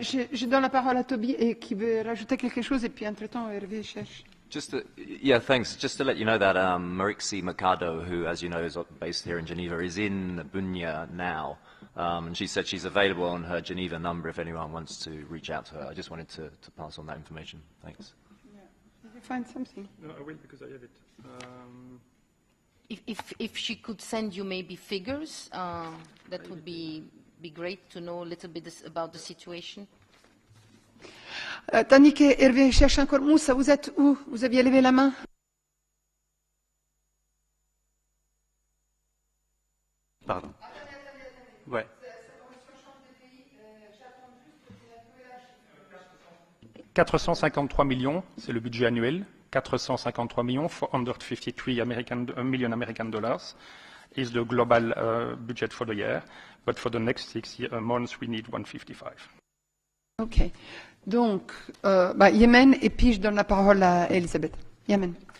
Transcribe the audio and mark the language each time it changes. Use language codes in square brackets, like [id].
[fr] Je donne la parole à Toby et qui veut rajouter quelque chose et puis entre temps Hervé cherche. [en] Just to let you know that Marixi Mercado, who as you know is based here in Geneva, is in Bunia now. And she said she's available on her Geneva number if anyone wants to reach out to her. I just wanted to pass on that information. Thanks. Yeah. Did you find something? No, I will because I have it. If she could send you maybe figures, that would be great to know a little bit about the situation. [fr] Tandis que Hervé cherche encore Moussa, vous êtes où? Vous aviez levé la main. Pardon. Ouais. $453 million, c'est le budget annuel. [en] 453 millions, 453 million American dollars, is the global budget for the year. But for the next 6 months, we need 155. OK. [fr] Donc, Yémen, et puis je donne la parole à Elisabeth. Yémen.